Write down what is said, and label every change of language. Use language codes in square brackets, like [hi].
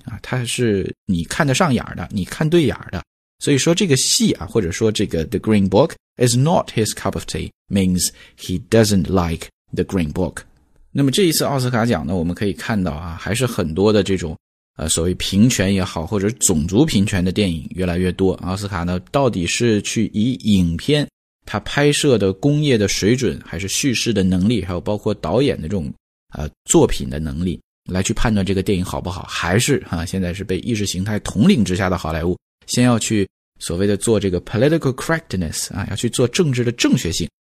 [zh] 啊，他是你看得上眼的，你看对眼的。所以说这个戏啊，或者说这个 [en] The Green Book is not his cup of tea, means he doesn't like The Green Book. [zh] 那么这一次奥斯卡奖呢，我们可以看到啊，还是很多的这种所谓平权也好，或者种族平权的电影越来越多。奥斯卡呢，到底是去以影片他拍摄的工业的水准还是叙事的能力还有包括导演的这种作品的能力来去判断这个电影好不好还是啊现在是被意识形态统领之下的好莱坞先要去所谓的做这个 political correctness, 啊要去做政治的正确性。